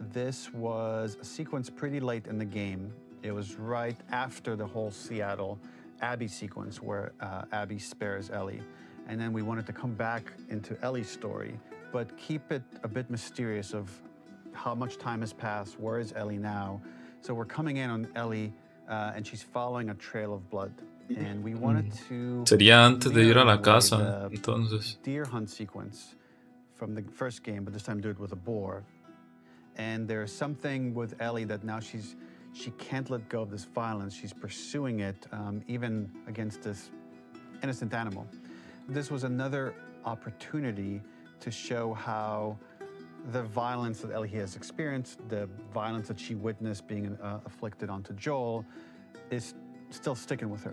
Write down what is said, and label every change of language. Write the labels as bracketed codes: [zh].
[en] This was a sequence pretty late in the game. It was right after the whole Seattle Abbey sequence where Abby spares Ellie. And then we wanted to come back into Ellie's story, but keep it a bit mysterious of how much time has passed, where is Ellie now? So we're coming in on Ellie and she's following a trail of blood. And we wanted to... [es] Sería antes de ir a la casa, entonces. [en] Deer hunt sequence from the first game, but this time do it with a boar. And there's something with Ellie that now she can't let go of this violence. She's pursuing it, even against this innocent animal. This was another opportunity to show how the violence that Ellie has experienced, the violence that she witnessed being afflicted onto Joel, is still sticking with her.